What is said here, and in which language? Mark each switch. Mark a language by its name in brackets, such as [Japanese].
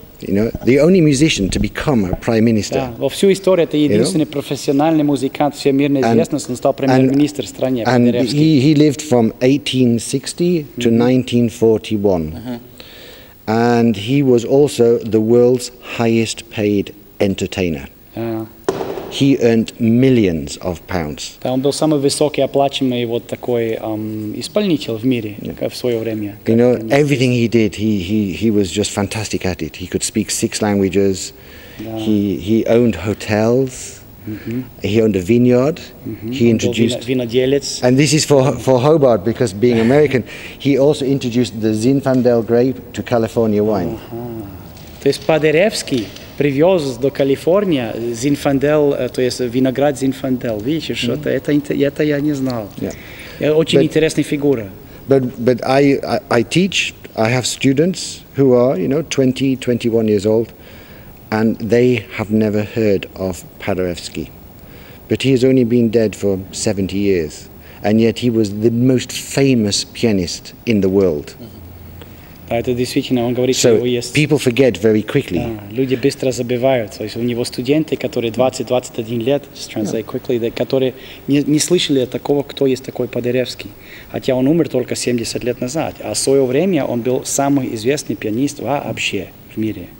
[English] You know, the only musician to become a prime minister. [Russian] Да, во всю историю это единственный профессиональный музыкант всемирной известности, он стал премьер-министр страны. [English] And, and he lived from 1860 mm-hmm. to 1941. Uh-huh. And he was also the world's highest paid entertainer. Yeah. He earned millions of pounds. [Russian] Да, он был самый высокий оплачиваемый вот такой исполнитель в мире в свое время. [English] You know, everything he did, he was just fantastic at it. He could speak six languages. Yeah. He owned hotels. Mm-hmm. He owned a vineyard. Mm-hmm. He introduced [Russian] виноделец. [English] And this is for Hobart because being American, he also introduced the Zinfandel grape to California wine. [Russian] То есть Падеревский привез до Калифорнии Зинфандел, то есть виноград Зинфандел. Видите, что это я не знал. Очень интересная фигура. [English] But I teach. I have students who are, you know, 20, 21 years old. And they have never heard of Paderewski, but he has only been dead for 70 years, and yet he was the most famous pianist in the world. [Russian] Да, это действительно, он говорит, что есть. [English] People forget very quickly. [Russian] Люди быстро забывают. То есть у него студенты, которые 20-21 лет, [English] just translate quickly, [Russian] которые не слышали такого, кто есть такой Паderewski, хотя он умер только 70 лет назад, а в свое время он был самый известный пианист вообще в мире.